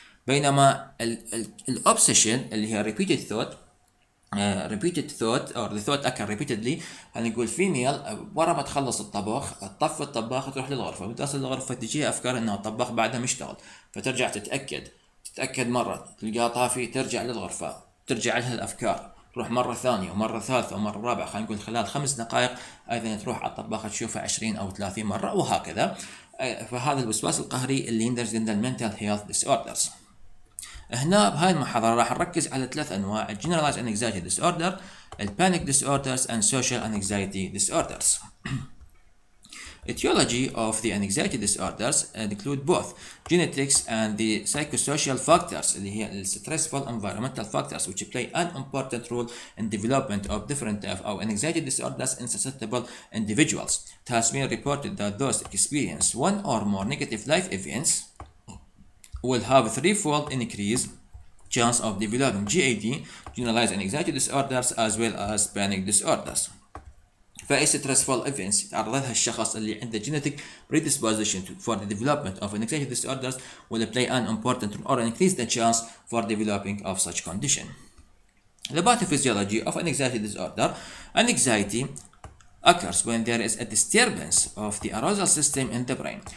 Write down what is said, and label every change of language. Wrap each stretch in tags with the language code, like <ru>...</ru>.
<ar>بينما الاوبسيشن اللي هي</ar> <en>repeated thought, repeated thought or the thought occur repeatedly,</en> <ar>خلينا نقول فيميل ورا ما تخلص الطبخ تطفي الطباخ تروح للغرفه, بتوصل للغرفه تجيها افكار انه الطباخ بعدها مشتغل, فترجع تتأكد مرة تلقاها طافي, ترجع للغرفة ترجع لها الأفكار, تروح مرة ثانية ومرة ثالثة ومرة رابعة, خلينا نقول خلال خمس دقائق أيضا تروح على الطباخ تشوفها 20 أو 30 مرة وهكذا. فهذا الوسواس القهري اللي يندرج ضمن المنتال هيلث ديسوردرز. هنا بهاي المحاضرة راح نركز على ثلاث أنواع, الجنرالايز أنكزايتي ديسوردر, البانيك ديسوردرز, أند سوشيال أنكزايتي ديسوردرز.</ar> <en>Etiology of the anxiety disorders include both genetics and the psychosocial factors,</en> <ar>اللي هي</ar> <en>stressful environmental factors, which play an important role in development of different of anxiety disorders in susceptible individuals. It has been reported that those experience one or more negative life events will have a threefold increase chance of developing GAD, generalized anxiety disorders, as well as panic disorders. فاي stressful events</en> <ar>يتعرضها الشخص اللي عنده</ar> <en>جينيتك بريديسبوزيشن فور ذا ديفلوبمنت اوف انكزايتي ديس اوردرز ويل بلاي ان امبورتنت اور انكريز ذا تشانس فور ديفلوبينج اوف سوتش كونديشن. The pathophysiology of anxiety disorder. Anxiety occurs when there is a disturbance of the arousal system in the brain.</en>